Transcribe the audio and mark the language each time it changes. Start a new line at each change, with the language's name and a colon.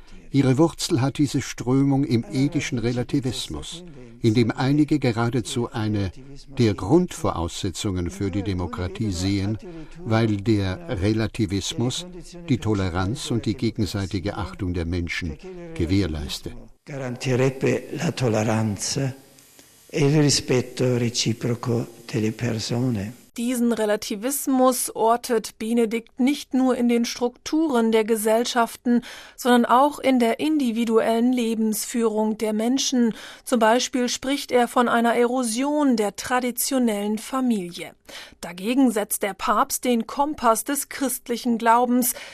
German: Ihre Wurzel hat diese Strömung im ethischen Relativismus, in dem einige geradezu eine der Grundvoraussetzungen für die Demokratie sehen, weil der Relativismus die Toleranz und die gegenseitige Achtung der Menschen gewährleiste.
Italian: Garantirebbe la tolleranza e il rispetto reciproco delle persone.
German: Diesen Relativismus ortet Benedikt nicht nur in den Strukturen der Gesellschaften, sondern auch in der individuellen Lebensführung der Menschen. Zum Beispiel spricht er von einer Erosion der traditionellen Familie. Dagegen setzt der Papst den Kompass des christlichen Glaubens.